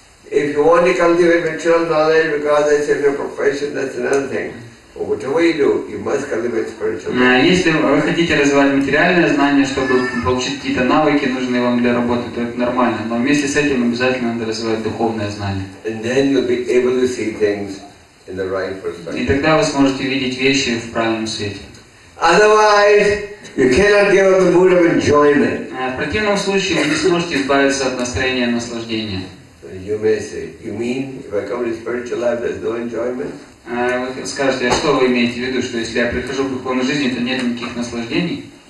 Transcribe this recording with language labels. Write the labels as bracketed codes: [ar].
[en] If you want to cultivate material knowledge because it's in your profession, that's another thing. But whatever you do, you must cultivate spiritual knowledge. [ru] Если вы хотите развивать материальное знание, чтобы получить какие-то навыки, нужные вам для работы, то это нормально. Но вместе с этим обязательно надо развивать духовное знание. [en] And then you'll be able to see things in the right perspective. [ru] И тогда вы сможете видеть вещи в правильном свете. [en] Otherwise, you cannot give up the mood of enjoyment. [ru] В противном случае вы не сможете избавиться от настроения наслаждения. [en] So you may say, you mean if I come to spiritual life, there's no enjoyment? [ru] Вы скажете, а что вы имеете в виду, что если я прихожу в духовную жизнь, то нет никаких наслаждений?